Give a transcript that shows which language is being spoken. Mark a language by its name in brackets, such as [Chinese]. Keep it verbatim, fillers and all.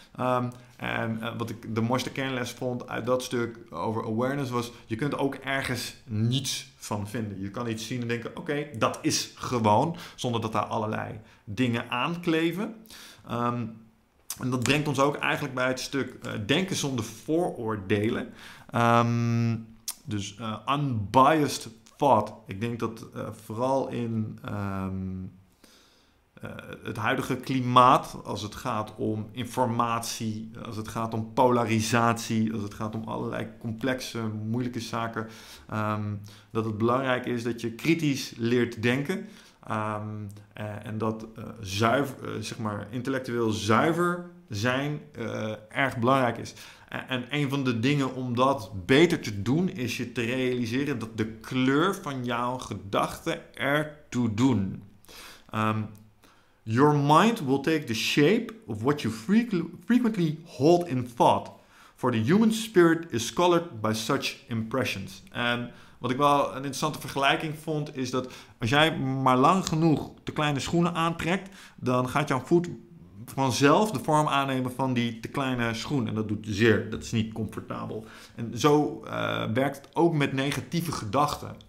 [Dutch] Um, en uh, wat ik de mooiste kernles vond uit dat stuk over awareness was, je kunt ook ergens niets van vinden. Je kan iets zien en denken, oké, okay, dat is gewoon. Zonder dat daar allerlei dingen aankleven. Um, en dat brengt ons ook eigenlijk bij het stuk uh, denken zonder vooroordelen. Um, dus uh, [English] unbiased thought. [Dutch] Ik denk dat uh, vooral in Um, Uh, het huidige klimaat, als het gaat om informatie, als het gaat om polarisatie, als het gaat om allerlei complexe, moeilijke zaken, um, dat het belangrijk is dat je kritisch leert denken um, uh, en dat uh, zuiver, uh, zeg maar intellectueel zuiver zijn uh, erg belangrijk is. En, en een van de dingen om dat beter te doen is je te realiseren dat de kleur van jouw gedachten ertoe doen. [English] Um, Your mind will take the shape of what you frequently hold in thought. For the human spirit is colored by such impressions. [Dutch] En wat ik wel een interessante vergelijking vond, is dat als jij maar lang genoeg te kleine schoenen aantrekt, dan gaat jouw voet vanzelf de vorm aannemen van die te kleine schoen. En dat doet zeer. Dat is niet comfortabel. En zo uh, werkt het ook met negatieve gedachten.